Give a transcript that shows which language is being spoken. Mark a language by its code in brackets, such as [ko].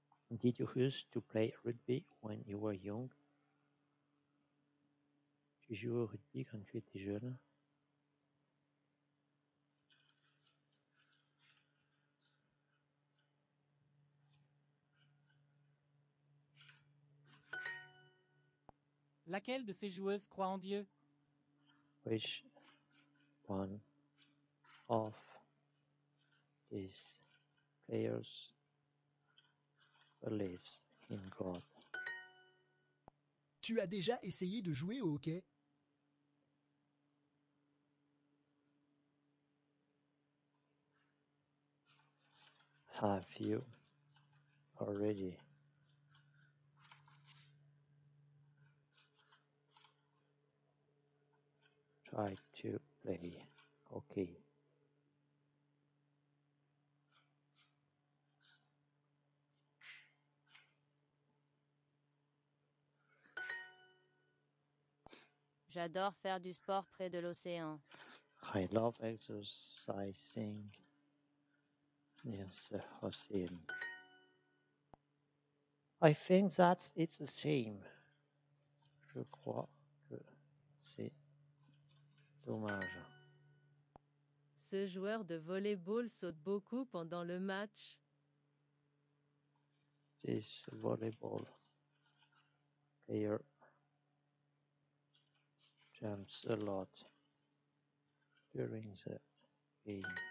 [en] Did you used to play rugby when you were young? [fr] Tu jouais au rugby quand tu étais jeune? Laquelle de ces joueuses croit en Dieu? [en] Which one of these players believes in God? [fr] Tu as déjà essayé de jouer au hockey? [en] Have you already try to play hockey? [fr] J'adore faire du sport près de l'océan. [en] I love exercising. Yes, same. I think that it's the same. [fr] Je crois que c'est dommage. Ce joueur de volleyball saute beaucoup pendant le match. [en] This volleyball player jumps a lot during the game.